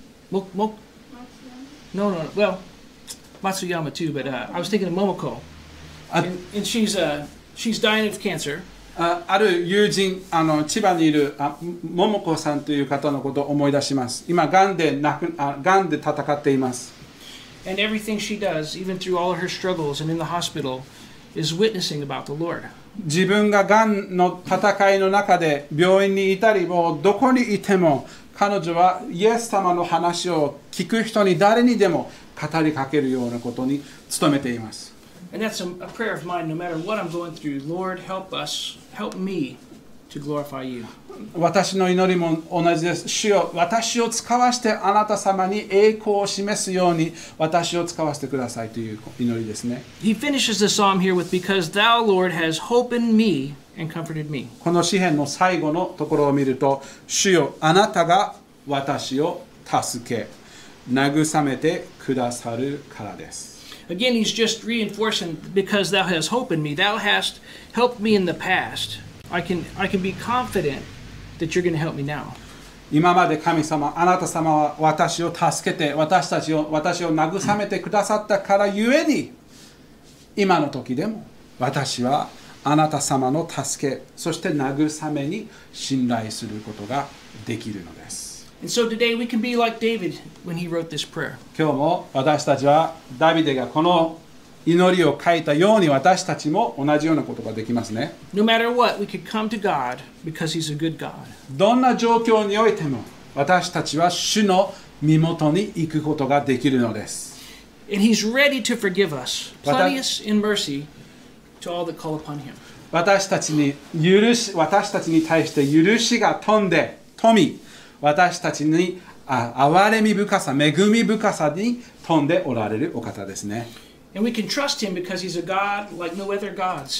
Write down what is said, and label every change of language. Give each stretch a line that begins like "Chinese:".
English: Matsuyama too, but I was thinking of Momoko. And she's dying of cancer.
Japanese: ある友人、あの千葉にいる桃子さんという方のことを思い出します。今がんで癌で戦っています。
English: And everything she does, even through all of her struggles and in the hospital, is witnessing about the Lord.
Japanese: 自分が癌の戦いの中で病院にいたり、もうどこにいても、彼女はイエス様の話を聞く人に誰にでも語りかけるようなことに努めています。
English: And that's a prayer of mine, no matter what I'm going through. Lord, help us, help me to glorify you.
Japanese: 私の祈りも同じです。主よ、私を使わせてあなた様に栄光を示すように私を使わせてくださいという祈りですね。
English: He finishes the psalm here with, because thou, Lord, has hope in me and comforted me.
Japanese: この詩編の最後のところを見ると、主よ、あなたが私を助け、慰めてくださるからです。
English: Again, he's just reinforcing, because thou hast hope in me. Thou hast helped me in the past. I can be confident that you're going to help me now.
Japanese: 今まで神様、あなた様は私を助けて、私を慰めてくださったからゆえに、今の時でも私はあなた様の助け、そして慰めに信頼することができるのです。
English: And so today we can be like David when he wrote this prayer.
Japanese: 今日も私たちはダビデがこの祈りを書いたように私たちも同じようなことができますね。
English: No matter what, we can come to God because he's a good God.
Japanese: どんな状況においても私たちは主の身元に行くことができるのです。
English: And he's ready to forgive us, plenteous in mercy to all that call upon him.
Japanese: 私たちに対して許しが富んで、富み、私たちに憐れみ深さ、恵み深さに富んでおられるお方ですね。
English: And we can trust him because he's a God like no other gods.